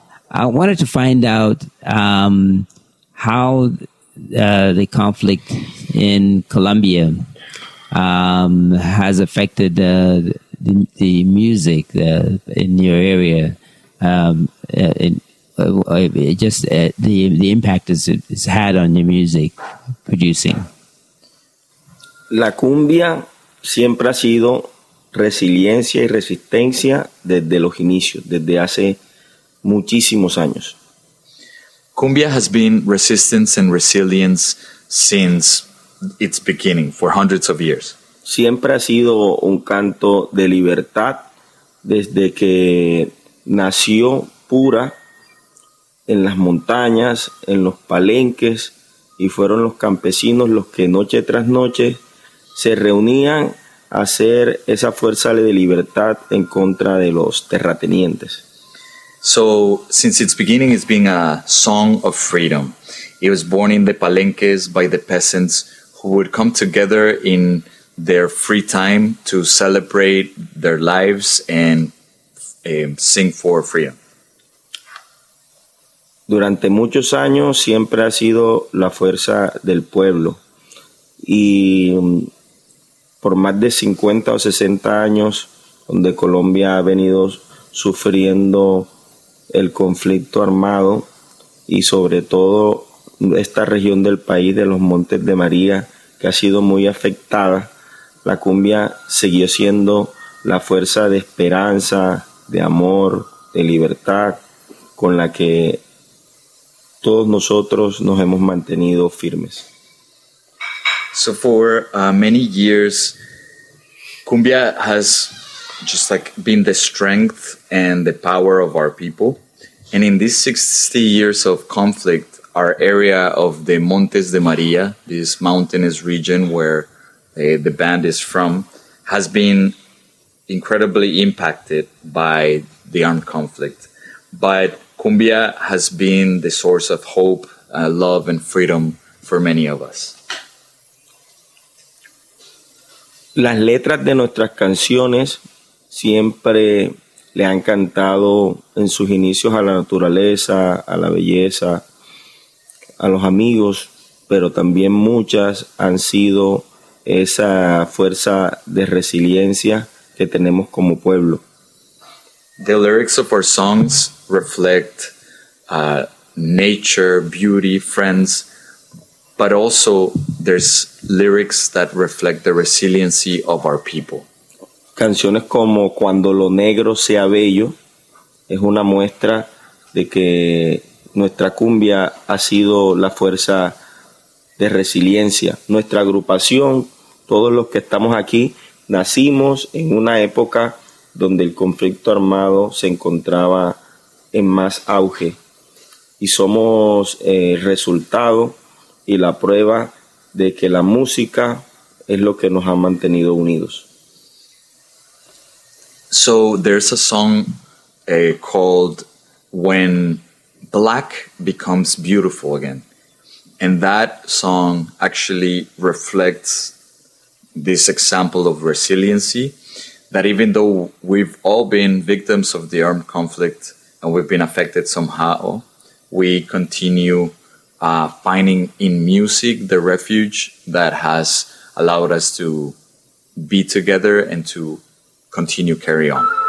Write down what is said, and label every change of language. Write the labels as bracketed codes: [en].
[en] I wanted to find out how the conflict in Colombia has affected the music in your area, the impact it's had on your music producing. [es] La cumbia siempre ha sido resiliencia y resistencia desde los inicios, desde hace muchísimos años. [en] Cumbia has been resistance and resilience since its beginning, for hundreds of years. [es] Siempre ha sido un canto de libertad desde que nació pura en las montañas, en los palenques, y fueron los campesinos los que noche tras noche se reunían a hacer esa fuerza de libertad en contra de los terratenientes. [en] So, since its beginning, it's been a song of freedom. It was born in the palenques by the peasants who would come together in their free time to celebrate their lives and sing for freedom. [es] Durante muchos años siempre ha sido la fuerza del pueblo. Y por más de 50 o 60 años donde Colombia ha venido sufriendo el conflicto armado y sobre todo esta región del país de los Montes de María que ha sido muy afectada, la cumbia siguió siendo la fuerza de esperanza, de amor, de libertad, con la que todos nosotros nos hemos mantenido firmes. [en] So for many years, cumbia has just like been the strength and the power of our people. And in these 60 years of conflict, our area of the Montes de María, this mountainous region where the band is from, has been incredibly impacted by the armed conflict. But cumbia has been the source of hope, love, and freedom for many of us. [es] Las letras de nuestras canciones siempre le han cantado en sus inicios a la naturaleza, a la belleza, a los amigos, pero también muchas han sido esa fuerza de resiliencia que tenemos como pueblo. [en] The lyrics of our songs reflect nature, beauty, friends, but also there's lyrics that reflect the resiliency of our people. [es] Canciones como Cuando lo negro sea bello es una muestra de que nuestra cumbia ha sido la fuerza de resiliencia. Nuestra agrupación, todos los que estamos aquí, nacimos en una época donde el conflicto armado se encontraba en más auge y somos el resultado y la prueba de que la música es lo que nos ha mantenido unidos. [en] So there's a song called When Black Becomes Beautiful Again. And that song actually reflects this example of resiliency, that even though we've all been victims of the armed conflict and we've been affected somehow, we continue finding in music the refuge that has allowed us to be together and to continue, carry on.